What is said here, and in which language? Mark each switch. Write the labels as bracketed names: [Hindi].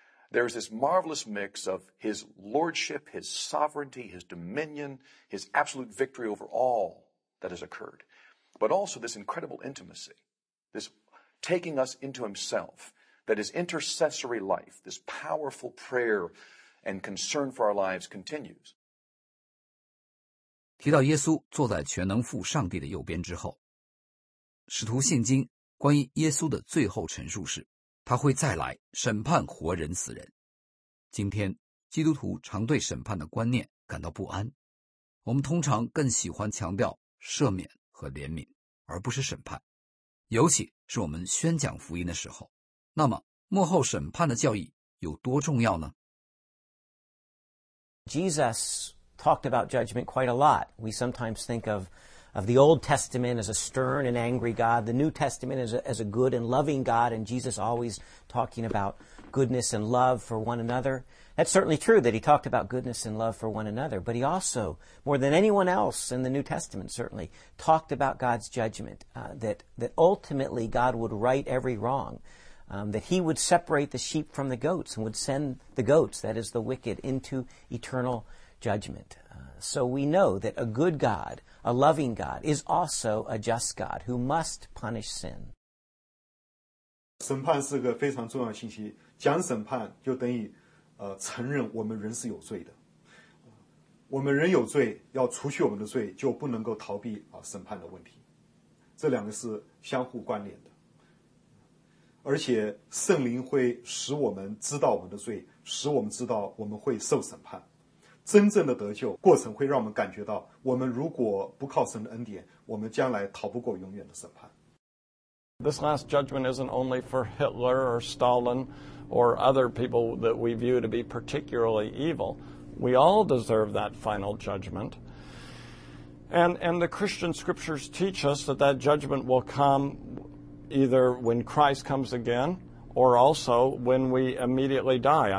[English] There's this marvelous mix of his lordship, his sovereignty, his dominion, his absolute victory over all that has occurred, but also this incredible intimacy, this taking us into himself, that his intercessory life, this powerful prayer and concern for our lives continues. [Chinese] 提到耶稣坐在全能父上帝的右边之后，使徒信经关于耶稣的最后陈述是，他会再来审判活人死人。今天，基督徒常对审判的观念感到不安，我们通常更喜欢强调赦免和怜悯，而不是审判，尤其是我们宣讲福音的时候。那么，末后审判的教义有多重要呢？ [English] Jesus talked about judgment quite a lot. We sometimes think of the Old Testament as a stern and angry God, the New Testament as a good and loving God, and Jesus always talking about goodness and love for one another. That's certainly true that he talked about goodness and love for one another, but he also, more than anyone else in the New Testament certainly, talked about God's judgment, that ultimately God would right every wrong, that he would separate the sheep from the goats and would send the goats, that is the wicked, into eternal judgment. So we know that a good God, a loving God, is also a just God who must punish sin. [Chinese] 审判是个非常重要的信息，讲审判就等于承认我们人是有罪的。我们人有罪，要除去我们的罪，就不能够逃避审判的问题。这两个是相互关联的。而且圣灵会使我们知道我们的罪，使我们知道我们会受审判。真正的得救过程会让我们感觉到，我们如果不靠神的恩典，我们将来逃不过永远的审判。 [English] This last judgment isn't only for Hitler or Stalin or other people that we view to be particularly evil. We all deserve that final judgment. And the Christian scriptures teach us that that judgment will come either when Christ comes again or also when we immediately die.